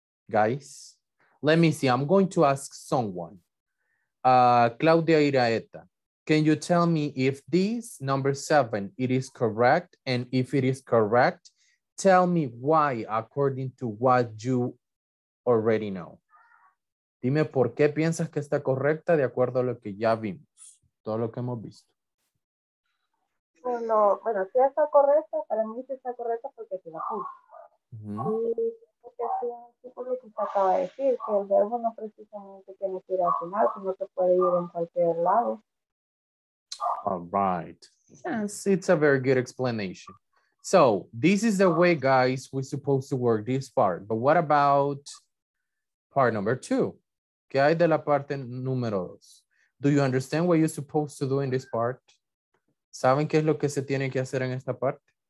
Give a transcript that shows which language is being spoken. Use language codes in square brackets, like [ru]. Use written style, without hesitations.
[en] Guys, let me see. I'm going to ask someone. Claudia Iraeta, can you tell me if this number seven, it is correct? And if it is correct, tell me why according to what you already know. [es] Dime por qué piensas que está correcta de acuerdo a lo que ya vimos, todo lo que hemos visto. No, bueno, si está correcta, para mí sí está correcta porque se la puse. Porque sí, sí, por lo que se acaba de decir, que el verbo no precisamente tiene que ir al final, sino que puede ir en cualquier lado. [en] All right. Yes, it's a very good explanation. So, this is the way, guys, we're supposed to work this part. But what about part number two? [es] ¿Qué hay de la parte número dos? [en] Do you understand what you're supposed to do in this part? [es] ¿Saben qué es lo que se tiene que hacer en esta parte?